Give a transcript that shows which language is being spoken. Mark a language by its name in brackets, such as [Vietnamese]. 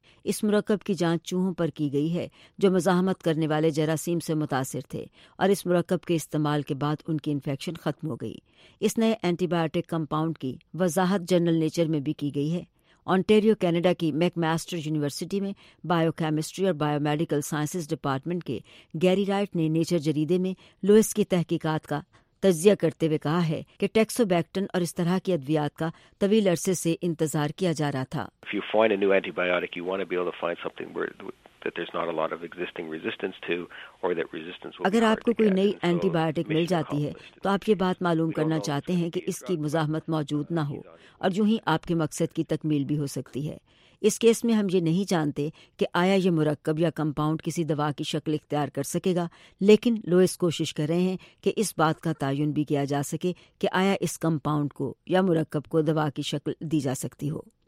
[Urdu] اس مرکب کی جانچ چوہوں پر کی گئی ہے جو مزاحمت کرنے والے جراثیم سے متاثر تھے، اور اس مرکب کے استعمال کے بعد ان کی انفیکشن ختم ہو گئی۔ اس نئے اینٹی بایوٹک کمپاؤنڈ کی وضاحت جنرل نیچر میں بھی کی گئی ہے۔ آنٹیریو کینیڈا کی میک ماسٹر یونیورسٹی میں بایو کیمسٹری اور بایو میڈیکل سائنسز ڈپارٹمنٹ کے گیری رائٹ نے نیچر جریدے میں لوئس کی تحقیقات کا تجزیہ کرتے ہوئے کہا ہے کہ ٹیکسوبیکٹن اور اس طرح کی ادویات کا طویل عرصے سے انتظار کیا جا رہا تھا۔ [English] If you find a new antibiotic, you want to be able to find something where that there's not a lot of existing resistance to, or that resistance will [Urdu] اگر آپ کو کوئی نئی اینٹی بایوٹک مل جاتی ہے تو آپ یہ بات معلوم کرنا چاہتے ہیں کہ اس کی مزاحمت موجود نہ ہو، اور یوں ہی آپ کے مقصد کی تکمیل بھی ہو سکتی ہے۔ اس کیس میں ہم یہ نہیں جانتے کہ آیا یہ مرکب یا کمپاؤنڈ کسی دوا کی شکل اختیار کر سکے گا، لیکن لوئس کوشش کر رہے ہیں کہ اس بات کا تعین بھی کیا جا سکے کہ آیا اس کمپاؤنڈ کو یا مرکب کو دوا کی شکل دی جا سکتی ہو۔